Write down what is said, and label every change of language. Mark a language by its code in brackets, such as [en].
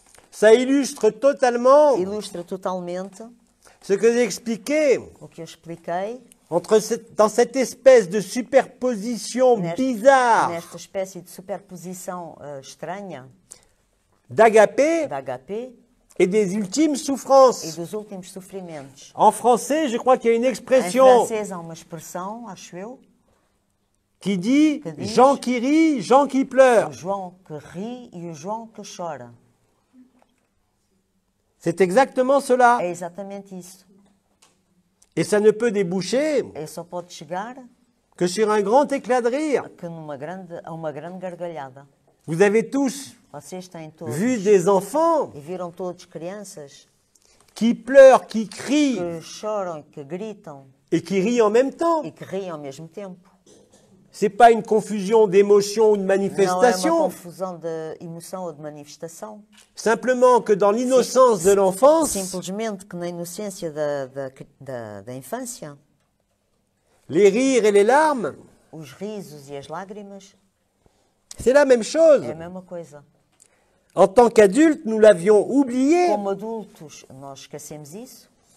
[fr] Ça illustre totalement. [pt] Ilustra totalmente. [fr] Ce que j'ai expliqué. [pt] O que eu expliquei. [fr] Entre dans cette espèce de superposition bizarre. [pt] Nesta espécie de superposição estranha. [fr] D'agapé. [pt] D'agapé. [fr] Et des ultimes souffrances. [pt] E dos últimos sofrimentos. [fr] En français, je crois qu'il y a une expression. [pt] Em francês há uma expressão, acho eu. [fr] Qui dit Jean qui rit, Jean qui pleure. [pt] O João que ri e o João que chora. [fr] C'est exactement cela. [pt] É exatamente isso. [fr] Et ça ne peut déboucher. [pt] E só pode chegar. [fr] Que sur un grand éclat de rire. [pt] Que uma grande gargalhada. [fr] Vous avez tous. [pt] Vocês têm todos. [fr] Vu des enfants. [pt] E viram todos crianças. [fr] Qui pleurent, qui crient. [pt] Que choram, que gritam. [fr] Et qui rient en même temps. [pt] E que riem ao mesmo tempo. [fr] Ce n'est pas une confusion d'émotions ou de manifestations. [pt] Não é uma confusão de emoção ou de manifestação. [fr] Simplement que dans l'innocence de l'enfance. [pt] Simplesmente que na inocência da infância. [fr] Les rires et les larmes. [pt] Os risos e as lágrimas. [fr] C'est la même chose. [pt] É a mesma coisa. [fr] En tant qu'adulte, nous l'avions oublié. [pt] Como adultos, nós esquecemos isso.